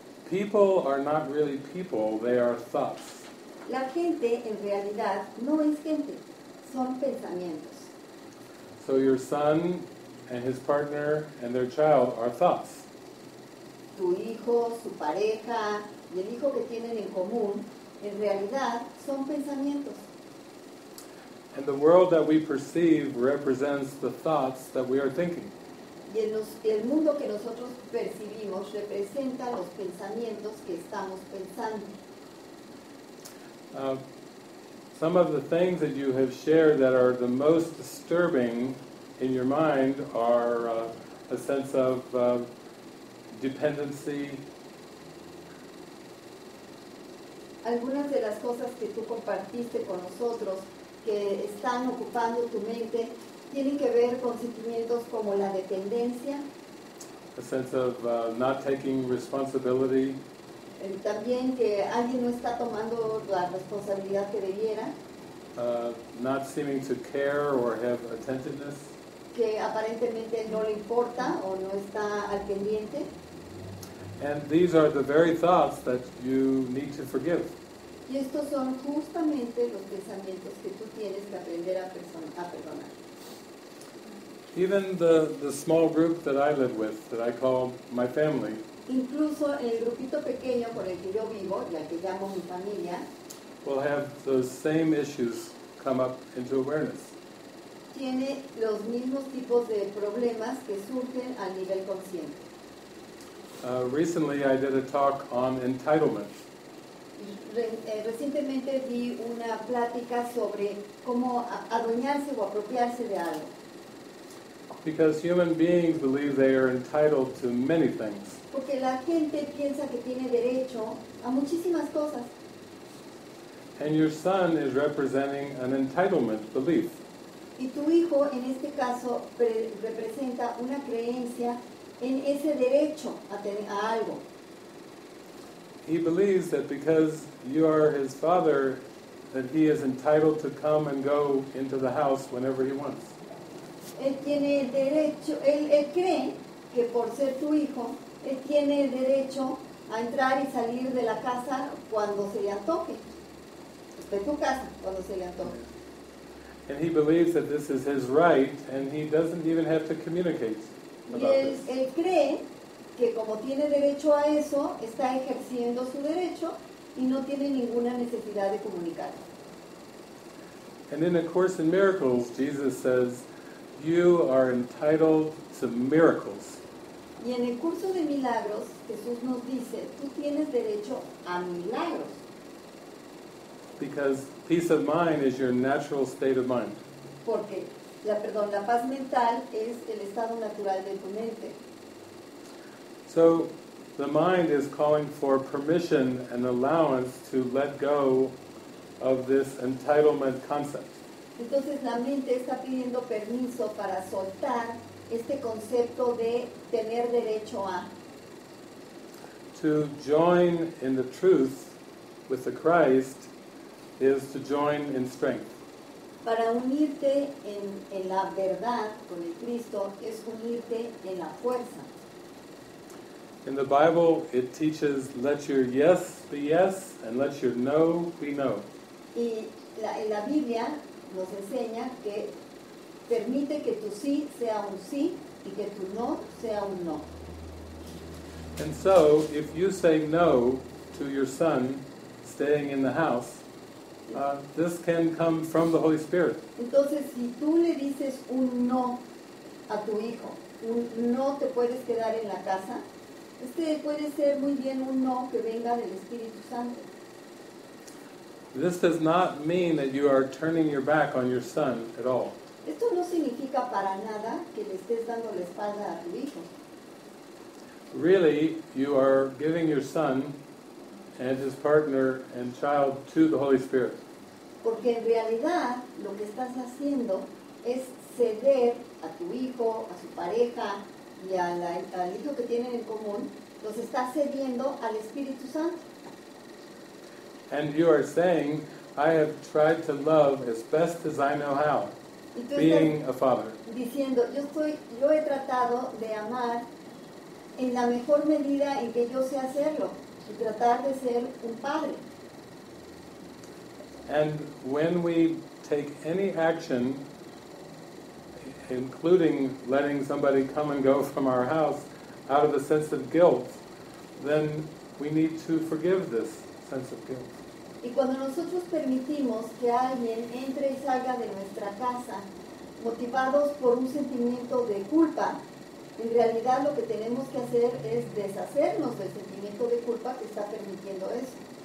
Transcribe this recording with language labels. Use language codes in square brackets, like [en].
[en] People are not really people, they are thoughts. [es] La gente en realidad no es gente, son pensamientos. [en] So your son and his partner and their child are thoughts. [es] Tu hijo, su pareja y el hijo que tienen en común, en realidad son pensamientos. [en] And the world that we perceive represents the thoughts that we are thinking. [es] Y el mundo que nosotros percibimos representa los pensamientos que estamos pensando. [en] Some of the things that you have shared that are the most disturbing in your mind are a sense of dependency. [es] Algunas de las cosas que tú compartiste con nosotros que están ocupando tu mente tienen que ver con sentimientos como la dependencia, [en] a sense of not taking responsibility, [es] también que alguien no está tomando la responsabilidad que debiera, [en] not seeming to care or have attentiveness, [es] que aparentemente no le importa o no está al pendiente. [en] And these are the very thoughts that you need to forgive. [es] Y estos son justamente los pensamientos que tú tienes que aprender a perdonar. [en] Even the small group that I live with, that I call my family. [es] Incluso el grupito pequeño con el que yo vivo, y al que llamo mi familia. [en] Will have those same issues come up into awareness. [es] Tiene los mismos tipos de problemas que surgen a nivel consciente. [en] Recently I did a talk on entitlement. [es] Recientemente di una plática sobre cómo adueñarse o apropiarse de algo. [en] Because human beings believe they are entitled to many things. [es] Porque la gente piensa que tiene derecho a muchísimas cosas. [en] And your son is representing an entitlement belief. [es] Y tu hijo en este caso representa una creencia en ese derecho a tener a algo. [en] He believes that because you are his father, that he is entitled to come and go into the house whenever he wants. [es] Él tiene el derecho, él cree que por ser tu hijo, él tiene el derecho a entrar y salir de la casa cuando se le antoje. De tu casa, cuando se le antoje. [en] And he believes that this is his right, and he doesn't even have to communicate about this. [es] Y él cree que como tiene derecho a eso, está ejerciendo su derecho y no tiene ninguna necesidad de comunicarlo. [en] And in A Course in Miracles, Jesus says, you are entitled to miracles. [es] Y en el curso de milagros, Jesús nos dice, tú tienes derecho a milagros. [en] Because peace of mind is your natural state of mind. [es] Porque la paz mental es el estado natural de tu mente. [en] So the mind is calling for permission and allowance to let go of this entitlement concept. [es] Entonces la mente está pidiendo permiso para soltar este concepto de tener derecho a. [en] To join in the truth with the Christ is to join in strength. [es] Para unirte en la verdad con el Cristo es unirte en la fuerza. [en] In the Bible it teaches let your yes be yes and let your no be no. [es] Y en la Biblia nos enseña que permite que tu sí sea un sí y que tu no sea un no. [en] And so, if you say no to your son staying in the house, this can come from the Holy Spirit. [es] Entonces, si tú le dices un no a tu hijo, un no te puedes quedar en la casa, este puede ser muy bien un no que venga del Espíritu Santo. [en] This does not mean that you are turning your back on your son at all. [es] Esto no significa para nada que le estés dando la espalda a tu hijo. [en] Really, you are giving your son and his partner and child to the Holy Spirit. [es] Porque en realidad lo que estás haciendo es ceder a tu hijo, a su pareja y al hijo que tienen en común, los estás cediendo al Espíritu Santo. [en] And you are saying, I have tried to love as best as I know how, being a father. [es] Diciendo, yo he tratado de amar en la mejor medida en que yo sé hacerlo, y tratar de ser un padre. [en] And when we take any action, including letting somebody come and go from our house out of a sense of guilt, then we need to forgive this sense of guilt. [es] Y cuando nosotros permitimos que alguien entre y salga de nuestra casa, motivados por un sentimiento de culpa, en realidad lo que tenemos que hacer es deshacernos del sentimiento de culpa que está permitiendo eso.